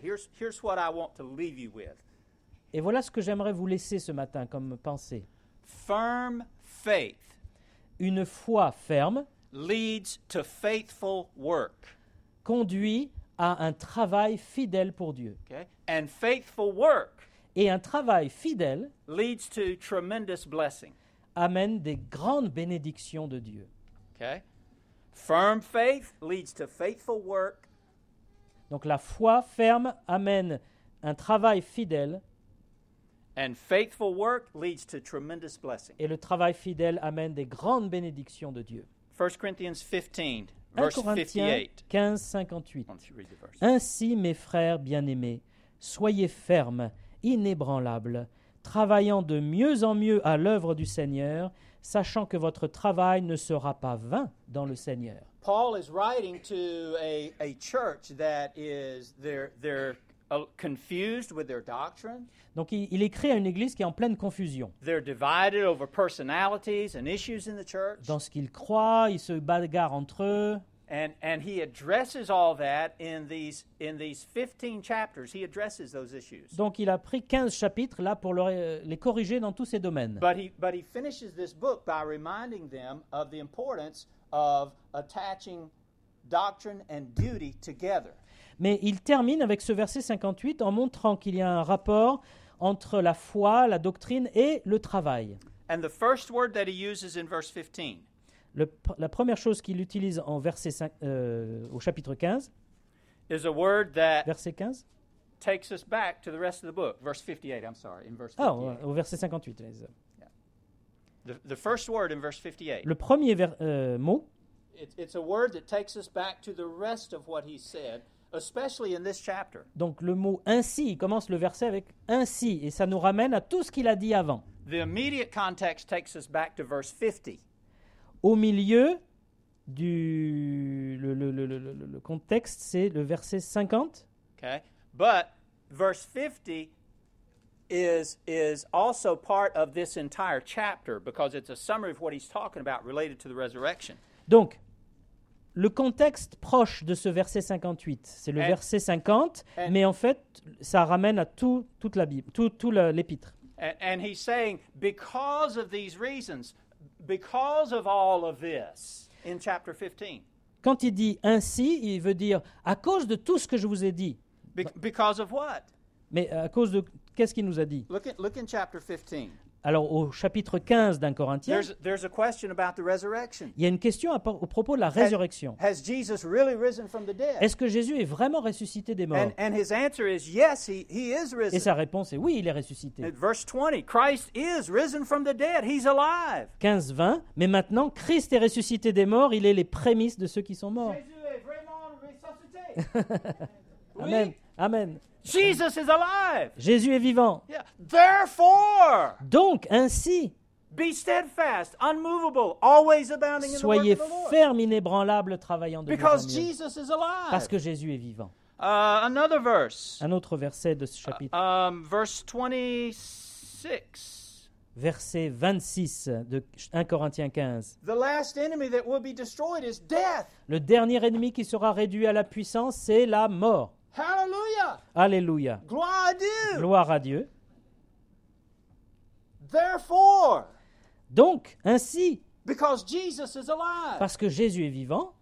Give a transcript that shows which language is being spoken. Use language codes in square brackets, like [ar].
[en] Here's what I want to leave you with. [fr] Et voilà ce que j'aimerais vous laisser ce matin comme pensée. [en] Firm faith. [fr] Une foi ferme [en] leads to faithful work. [fr] Conduit à un travail fidèle pour Dieu. [en] Okay? And faithful work. [fr] Et un travail fidèle [en] leads to tremendous blessing. [fr] Amène des grandes bénédictions de Dieu. [en] Okay. Firm faith leads to faithful work. [fr] Donc la foi ferme amène un travail fidèle. [en] And faithful work leads to tremendous blessing. [fr] Et le travail fidèle amène des grandes bénédictions de Dieu. [en] 1 Corinthians 15, verse 58. 15, 58. [fr] Ainsi, mes frères bien-aimés, soyez fermes, inébranlable, travaillant de mieux en mieux à l'œuvre du Seigneur, sachant que votre travail ne sera pas vain dans le Seigneur. [en] Paul is writing to a church that is they're confused with their doctrine. [fr] Donc il écrit à une église qui est en pleine confusion. [en] They're divided over personalities and issues in the church. [fr] Dans ce qu'ils croient, ils se bagarrent entre eux. [en] And he addresses all that in these 15 chapters. He addresses those issues. [fr] Donc il a pris 15 chapitres là pour les corriger dans tous ces domaines. [en] But he finishes this book by reminding them of the importance of attaching doctrine and duty together. [fr] Mais il termine avec ce verset 58 en montrant qu'il y a un rapport entre la foi, la doctrine et le travail. [en] And the first word that he uses in verse 15. [fr] La première chose qu'il utilise en verset 5, au chapitre 15, [en] is a word that [fr] verset 15, [en] takes us back to the rest of the book, verse 58, I'm sorry, in verse [fr] 58. Au verset 58. Yeah. [en] The first word in verse 58. [fr] Le premier mot. [en] It's a word that takes us back to the rest of what he said, especially in this chapter. [fr] Donc le mot ainsi, il commence le verset avec ainsi, et ça nous ramène à tout ce qu'il a dit avant. [en] The immediate context takes us back to verse 50. [fr] Au milieu du le contexte, c'est le verset 50. [en] Okay, but verse 50 is also part of this entire chapter because it's a summary of what he's talking about related to the resurrection. [fr] Donc, le contexte proche de ce verset 58, c'est le verset 50, mais en fait, ça ramène à toute la Bible, tout l'épître. [en] And he's saying, because of these reasons, because of all of this, in chapter 15. [fr] Quand il dit ainsi, il veut dire à cause de tout ce que je vous ai dit. [en] Because of what? [fr] Mais à cause de qu'est-ce qu'il nous a dit? [en] Look in chapter 15. [fr] Alors, au chapitre 15 d'un Corinthien, [en] there's a question about the resurrection. [fr] Il y a une question au propos de la résurrection. [en] Has Jesus really risen from the dead? [fr] Est-ce que Jésus est vraiment ressuscité des morts? [en] And his answer is, yes, he is risen. [fr] Et sa réponse est oui, il est ressuscité. [en] Verse 20, Christ is risen from the dead. He's alive. [fr] 15-20, mais maintenant, Christ est ressuscité des morts, il est les prémices de ceux qui sont morts. Jésus est vraiment ressuscité. Amen. Oui. Amen. [en] Jesus is alive. [fr] Jésus est vivant. [en] Yeah. Therefore. [fr] Donc ainsi. [en] Be steadfast, unmovable, always abounding in the work of the Lord. [fr] Soyez ferme, inébranlable, travaillant de [en] Dieu. Because Jesus is alive. [fr] Parce que Jésus est vivant. [en] Another verse. [fr] Un autre verset de ce chapitre. [en] Verse 26. [fr] Verset 26 de 1 Corinthiens 15. [en] The last enemy that will be destroyed is death. [fr] Le dernier ennemi qui sera réduit à la puissance, c'est la mort. [en] Hallelujah. [fr] Alléluia. Gloire à Dieu. Gloire à Dieu. [en] Therefore. [fr] Donc, ainsi. [en] Because Jesus is alive. [fr] Parce que Jésus est vivant.